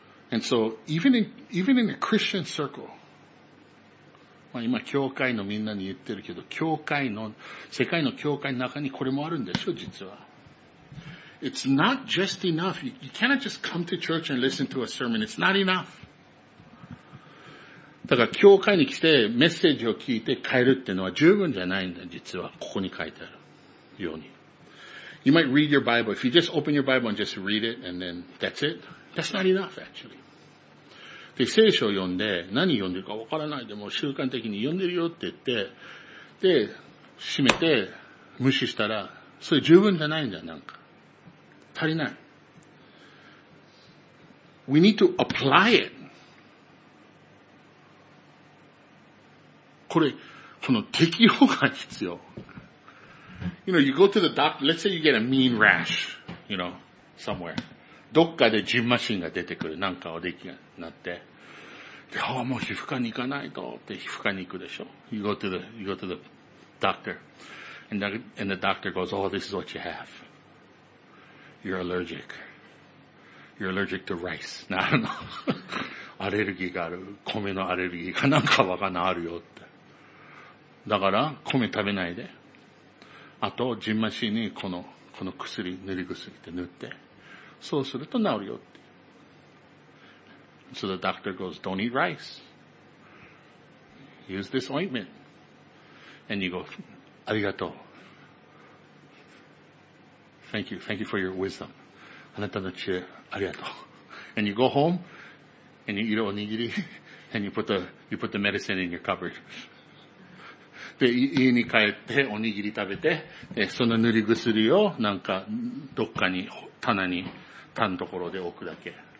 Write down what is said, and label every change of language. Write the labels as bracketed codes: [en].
[en] And so, even in a Christian circle, [ja] まあ今、教会のみんなに言ってるけど、教会の、世界の教会の中にこれもあるんでしょ、実は。 [en] It's not just enough. You cannot just come to church and listen to a sermon. It's not enough. [ja] だから教会に来てメッセージを聞いて帰るってのは十分じゃないんだ。実はここに書いてあるように。 [en] You might read your Bible. If you just open your Bible and just read it and then that's it. That's not enough actually. [ja] で、聖書を読んで何読んでるかわからないでも習慣的に読んでるよって言って、で、閉めて無視したらそれ十分じゃないんだ。なんか。足りない。 [en] We need to apply it. [ja] これ、この適用が必要。 [en] You know, you go to the doctor, let's say you get a mean rash, you know, somewhere. [ja] どっかでじんましんが出てくる、なんかおできになって。で、ああ、もう皮膚科に行かないと、って皮膚科に行くでしょ。 [en] You go to the doctor. And the doctor goes, oh, this is what you have. You're allergic to rice. [ja] なるの。アレルギーがある。米のアレルギーかなんかわかんないあるよって。だから、米食べないで。あと、ジンマシンにこの薬、塗り薬って塗って。そうすると治るよって。 [en] So the doctor goes, don't eat rice. Use this ointment. And you go, [ja] ありがとう。 [en] Thank you for your wisdom. [ja] あなたの知恵、ありがとう。 [en] And you go home, and you eat おにぎり、and you put the medicine in your cupboard. [ja] で、家に帰っておにぎり食べて、その塗り薬をなんかどっかに棚に、棚のところで置くだけ。